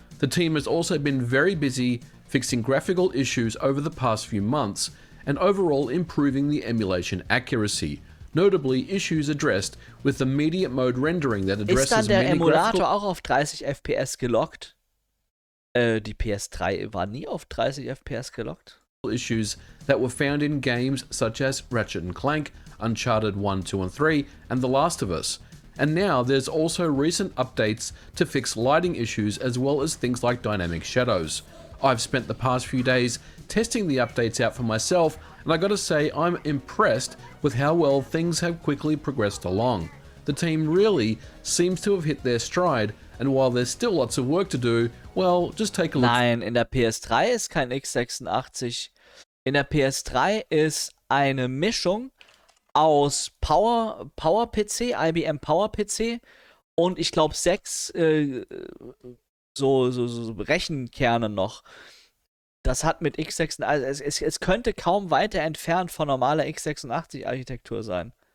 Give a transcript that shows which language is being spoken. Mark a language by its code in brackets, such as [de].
[en] The team has also been very busy fixing graphical issues over the past few months. And overall improving the emulation accuracy. Notably issues addressed with the media mode rendering that addresses [de] dann der Emulator auch auf 30 FPS gelockt? Die PS3 war nie auf 30 FPS gelockt? [en] ...issues that were found in games such as Ratchet & Clank, Uncharted 1, 2 and 3, and The Last of Us. And now there's also recent updates to fix lighting issues as well as things like dynamic shadows. I've spent the past few days testing the updates out for myself, and I gotta say I'm impressed with how well things have quickly progressed along. The team really seems to have hit their stride, and while there's still lots of work to do, well, just take a look. [de] Nein, in der PS3 ist kein x86. In der PS3 ist eine Mischung aus Power PC, IBM Power PC und ich glaube 6 Rechenkerne noch. Das hat mit x86, also es könnte kaum weiter entfernt von normaler x86 Architektur sein.